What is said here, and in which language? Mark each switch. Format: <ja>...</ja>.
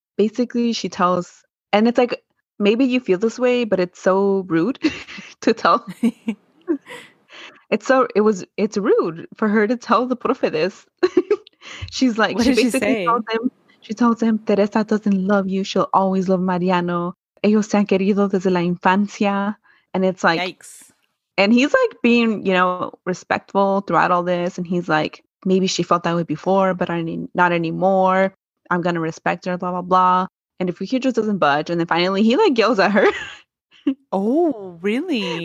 <en>Basically, she tells, and it's like, maybe you feel this way, but it's so rude to tell. It's rude for her to tell the Profe this. She's like, she tells him, Teresa doesn't love you. She'll always love Mariano.</en> <es>Ellos se han querido desde la infancia.</es> <en>And it's like, yikes. And he's like being, you know, respectful throughout all this. And he's like, maybe she felt that way before, but not anymore. I'm going to respect her, blah, blah, blah. And if he just doesn't budge, and then finally he like yells at her. Oh, really?</en>